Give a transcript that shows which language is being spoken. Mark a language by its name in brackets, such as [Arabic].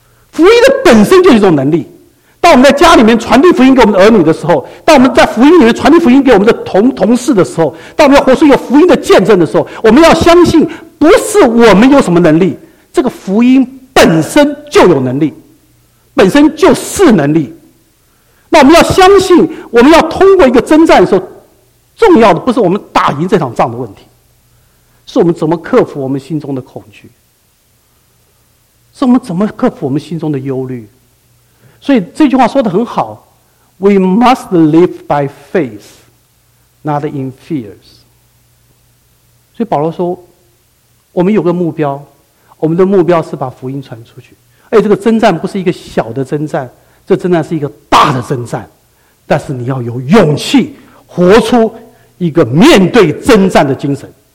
[Chinese] 福音的本身就是一种能力。当我们在家里面传递福音给我们的儿女的时候，当我们在福音里面传递福音给我们的同事的时候，当我们要活出一个福音的见证的时候，我们要相信不是我们有什么能力，这个福音本身就有能力，本身就是能力。那我们要相信，我们要通过一个征战的时候，重要的不是我们打赢这场仗的问题，是我们怎么克服我们心中的恐惧，是我们怎么克服我们心中的忧虑。 [English] 所以这句话说得很好， We must live by faith, not in fears. [Chinese] 所以保罗说我们有个目标，我们的目标是把福音传出去。哎，这个征战不是一个小的征战，这征战是一个大的征战，但是你要有勇气活出一个面对征战的精神。